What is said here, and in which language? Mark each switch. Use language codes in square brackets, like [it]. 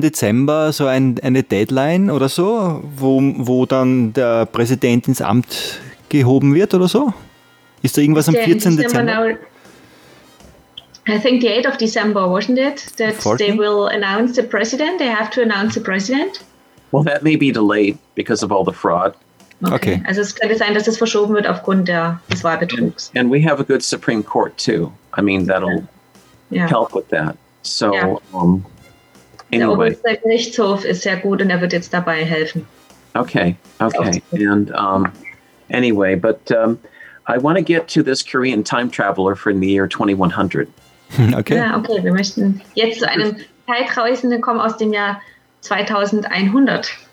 [de] Dezember so eine Deadline oder so, wo dann der Präsident ins Amt gehoben wird oder so? Ist da irgendwas am 14. Dezember? [en] I think the 8th of December, wasn't it? That 14? They will announce the president. They have to announce the president. Well, that may be delayed because of all the fraud. Okay. [de] Also es könnte sein, dass es verschoben wird aufgrund des Wahlbetrugs. [en] And we have a good Supreme Court too. I mean, that'll help with that. So, anyway. [de] Der Gerichtshof ist sehr gut und er wird jetzt dabei helfen. Okay. [en] And anyway, but I want to get to this Korean time traveler from the year 2100. Okay. [de] Ja, okay, wir möchten jetzt zu einem Zeitreisenden kommen aus dem Jahr 2100.